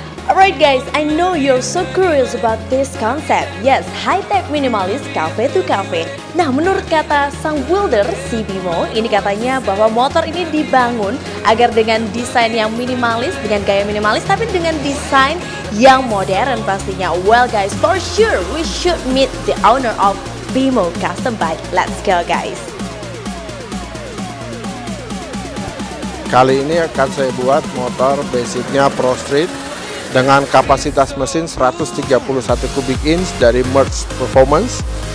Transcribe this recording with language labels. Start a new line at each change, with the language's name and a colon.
English: Alright guys, I know you're so curious about this concept. Yes, high-tech minimalist cafe to cafe.
Indonesian: Nah, menurut kata sang builder, si BMO, ini katanya bahwa motor ini dibangun agar dengan desain yang minimalis, dengan gaya minimalis, tapi dengan desain yang modern pastinya.
English: Well guys, for sure we should meet the owner of BMO Custom Bike. Let's go guys.
Indonesian: Kali ini akan saya buat motor basicnya Pro Street dengan kapasitas mesin 131 kubik inch dari Merz Performance.